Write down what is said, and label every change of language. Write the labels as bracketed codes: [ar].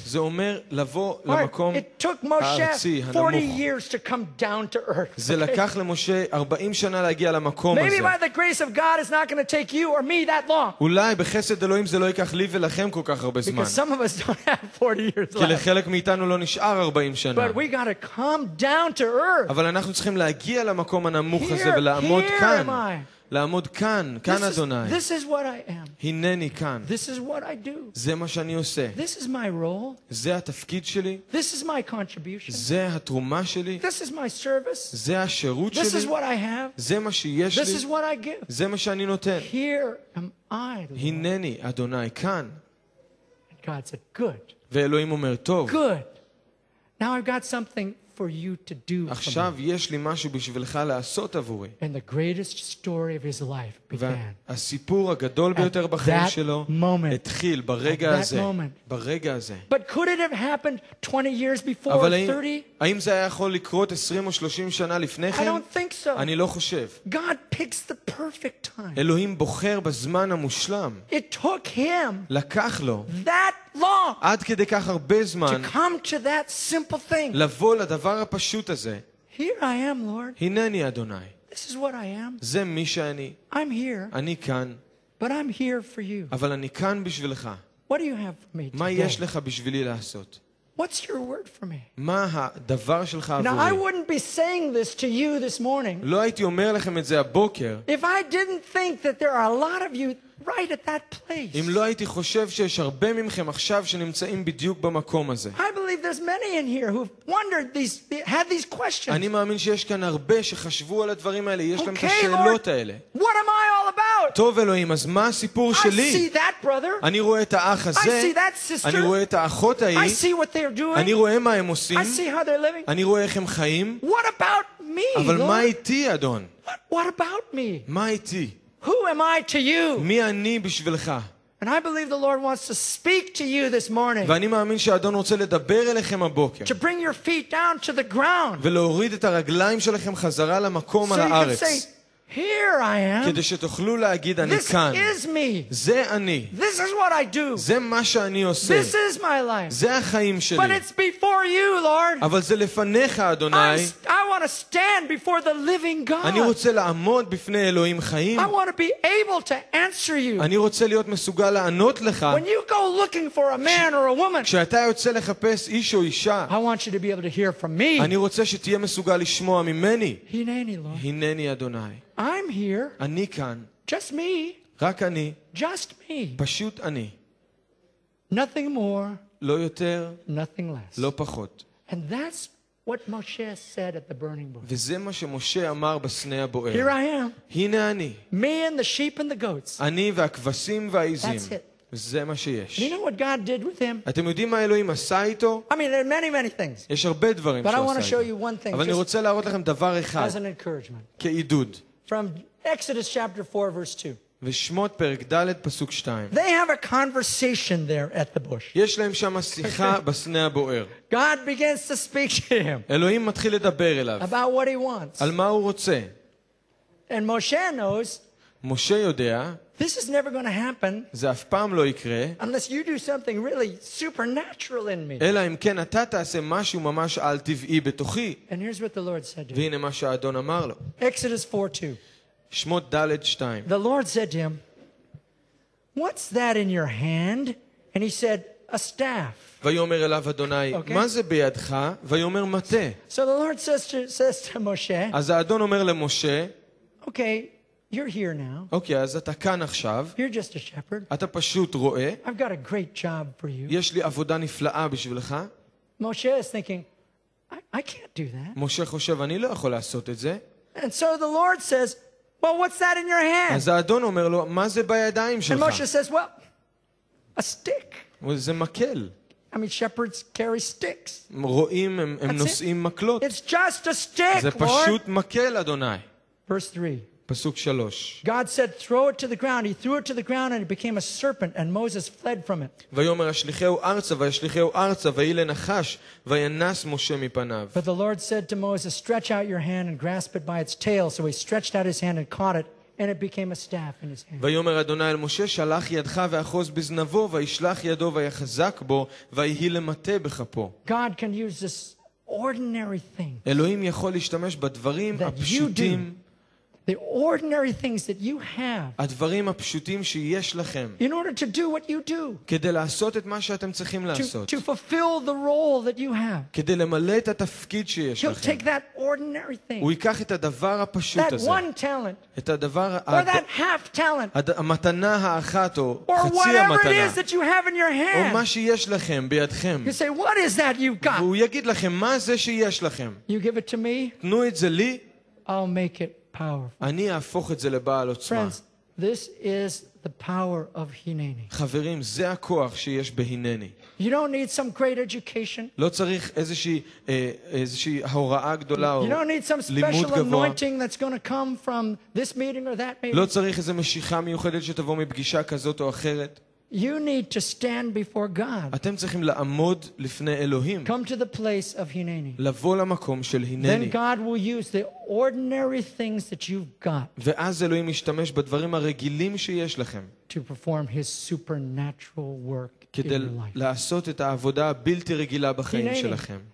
[he] זה אומר לבוא למקום הארצי, [en] it took Moshe 40 years to come down to earth. [he] זה לקח למשה 40 שנה להגיע למקום הזה. [en] Maybe by the grace of God it's not going to take you or me that long. [he] אולי בחסד אלוהים זה לא ייקח לי ולכם כל כך הרבה זמן. [en] Because some of us don't have 40 years left. [he] כי לחלק מאיתנו לא נשאר 40 שנה. [en] But we got to come down to earth. [he] אבל אנחנו צריכים להגיע למקום הנמוך הזה ולעמוד כאן. לעמוד כאן, כאן אדוני. [en] This is what I am. [he] הנני כאן. [en] This is what I do. [he] זה מה שאני עושה. [en] This is my role. [he] זה התפקיד שלי. [en] This is my contribution. [he] זה התרומה שלי. [en] This is my service. [he] זה השירות שלי. [en] This is what I have. [he] זה מה שיש לי. [en] This is what I give. [he] זה מה שאני נותן. [en] Here am I. [he] הנני אדוני כאן. [en] And God said, good. [he] ואלוהים אומר, טוב. [en] Good. Now I've got something for you to do. [he] עכשיו יש לי משהו בשבילך לעשות עבורי. [en] And the greatest story of his life began. [he] הסיפור הגדול ביותר בחיים שלו התחיל ברגע הזה. ברגע הזה. [en] But could it have happened 20 years before or 30? [he] האם זה היה יכול לקרות 20 או 30 שנה לפני כן? [en] I don't think so. [he] אני לא חושב. [en] God picks the perfect time. [he] אלוהים בוחר בזמן המושלם. [en] It took him. [he] לקח לו. [en] That long. [he] עד כדי כך הרבה זמן. [en] To come to that simple thing. [he] לבוא לדבר הפשוט הזה. [en] Here I am, Lord. [he] הנני אדוני. [en] This is what I am. [he] זה מי שאני. [en] I'm here. [he] אני כאן. [en] But I'm here for you. [he] אבל אני כאן בשבילך. [en] What do you have for me today? [he] מה יש לך בשבילי לעשות? [en] What's your word for me? [he] מה הדבר שלך עבורי? [en] Now I wouldn't be saying this to you this morning. [he] לא הייתי אומר לכם את זה הבוקר. [en] If I didn't think that there are a lot of you right at that place. [he] אם לא הייתי חושב שיש הרבה ממכם עכשיו שנמצאים בדיוק במקום הזה. [en] I believe there's many in here who've wondered had these questions. [he] אני מאמין שיש כאן הרבה שחשבו על הדברים האלה, יש להם את השאלות האלה. [en] What am I all about? [he] טוב אלוהים, אז מה הסיפור שלי? [en] I see that brother. [he] אני רואה את האח הזה. [en] I see that sister. [he] אני רואה את האחות ההיא. [en] I see what they're doing. [he] אני רואה מה הם עושים. [en] I see how they're living. [he] אני רואה איך הם חיים. [en] What about me? [he] אבל מה איתי, אדון? [en] What about me? [he] מה איתי? [en] Who am I to you? [he] מי אני בשבילך? [en] And I believe the Lord wants to speak to you this morning. [he] ואני מאמין שאדון רוצה לדבר אליכם הבוקר. [en] To bring your feet down to the ground. [he] ולהוריד את הרגליים שלכם חזרה למקום על הארץ. [en] So you can say, here I am. [he] כדי שתוכלו להגיד אני כאן. [en] This is me. [he] זה אני. [en] This is what I do. [he] זה מה שאני עושה. [en] This is my life. [he] זה החיים שלי. [en] But it's before you, Lord. [he] אבל זה לפניך, אדוני. [en] I want to stand before the living God. [he] אני רוצה לעמוד בפני אלוהים חיים. [en] I want to be able to answer you. [he] אני רוצה להיות מסוגל לענות לך. [en] When you go looking for a man or a woman. [he] כשאתה יוצא לחפש איש או אישה. [en] I want you to be able to hear from me. [he] אני רוצה שתהיה מסוגל לשמוע ממני. הנני, Lord. הנני אדוני. [en] I'm here. [he] אני כאן. [en] Just me. [he] רק אני. [en] Just me. [he] פשוט אני. [en] Nothing more. [he] לא יותר. [en] Nothing less. [he] לא פחות. [en] And that's what Moshe said at the burning bush. [he] וזה מה שמשה אמר בסנה הבוער. [en] Here I am. [he] הנה אני. [en] Me and the sheep and the goats. [he] אני והכבשים והעיזים. זה מה שיש. [en] You know what God did with him? [he] אתם יודעים מה אלוהים עשה איתו? [en] I mean, there are many, many things. [he] יש הרבה דברים שעשה. [en] But I want to show you one thing. [he] אבל אני רוצה להראות לכם דבר אחד. [en] As an encouragement. [he] כעידוד. [en] From Exodus chapter 4 verse 2. [he] ושמות פרק ד' פסוק 2. [en] They have a conversation there at the bush. [he] יש להם שם שיחה בסנה הבוער. [en] God begins to speak to him. [he] אלוהים מתחיל לדבר אליו. [en] About what he wants. [he] על מה הוא רוצה. [en] And Moshe knows. [he] משה יודע. [en] This is never going to happen. [he] זה אף פעם לא יקרה. [en] Unless you do something really supernatural in me. [he] אלא אם כן אתה תעשה משהו ממש על טבעי בתוכי. [en] And here's what the Lord said to him. [he] והנה מה שהאדון אמר לו. [en] Exodus 4:2. [he] שמות ד' 2. [en] The Lord said to him, "What's that in your hand?" And he said, "A staff." [he] ויאמר אליו אדוני, "מה זה בידך?" ויאמר מטה. [en] So the Lord says to Moshe, [he] אז האדון אומר למשה, [en] "Okay, you're here now. [he] אוקיי, אז אתה כאן עכשיו. [en] You're just a shepherd. [he] אתה פשוט רואה. [en] I've got a great job for you. [he] יש לי עבודה נפלאה בשבילך." [en] Moshe is thinking, "I can't do that." [he] משה חושב, "אני לא יכול לעשות את זה." [en] And so the Lord says, "Well, what's that in your hand?" [he] אז האדון אומר לו, "מה זה בידיים שלך?" [en] And Moshe says, "Well, a stick." [he] Well, זה מקל. [en] I mean, shepherds carry sticks. [he] רועים הם נושאים מקלות. [en] It's just a stick, Lord. [he] זה פשוט מקל, אדוני. [en] Verse 3. [he] פסוק 3. [en] God said, "Throw it to the ground." He threw it to the ground and it became a serpent and Moses fled from it. [he] ויאמר השליחהו ארצה וישליחהו ארצה ויהיה לנחש וינס משה מפניו. [en] But the Lord said to Moses, "Stretch out your hand and grasp it by its tail." So he stretched out his hand and caught it And it became a staff in his hand. [he] ויאמר אדוני אל משה שלח ידך ואחוז בזנבו וישלח ידו ויחזק בו ויהי למטה בכפו. [en] God can use this ordinary thing. [he] אלוהים יכול להשתמש בדברים הפשוטים. [en] The ordinary things that you have. [he] הדברים הפשוטים שיש לכם. [en] In order to do what you do. [he] כדי לעשות את מה שאתם צריכים לעשות. [en] To fulfill the role that you have. [he] כדי למלא את התפקיד שיש לכם. [en] He'll take that ordinary thing. [he] הוא ייקח את הדבר הפשוט הזה. [en] That one talent. [he] את הדבר [en] or that half talent. [he] המתנה האחת או חצי המתנה. [en] Or whatever it is that you have in your hand. [he] או מה שיש לכם בידכם. [en] You say, what is that you've got? [he] והוא יגיד לכם מה זה שיש לכם. [en] You give it to me. [he] תנו את זה לי. [en] I'll make it. Power. [he] אני אהפוך את זה לבעל עוצמה. [en] Friends, this is the power of Hineni. [he] חברים, זה הכוח שיש בהינני. [en] You don't need some great education. [he] לא צריך איזושהי הוראה גדולה או לימוד גבוה. [en] You don't need some special anointing that's going to come from this meeting or that meeting. [he] לא צריך איזו משיכה מיוחדת שתבוא מפגישה כזאת או אחרת. [en] You need to stand before God. [he] אתם צריכים לעמוד לפני אלוהים. [en] Come to the place of Hineni. [he] לבוא למקום של הינני. [en] Then God will use the ordinary things that you've got. [he] ואז אלוהים ישתמש בדברים הרגילים שיש לכם. [en] To perform his supernatural work in life. [he] כדי לעשות את העבודה הבלתי רגילה בחיים שלכם.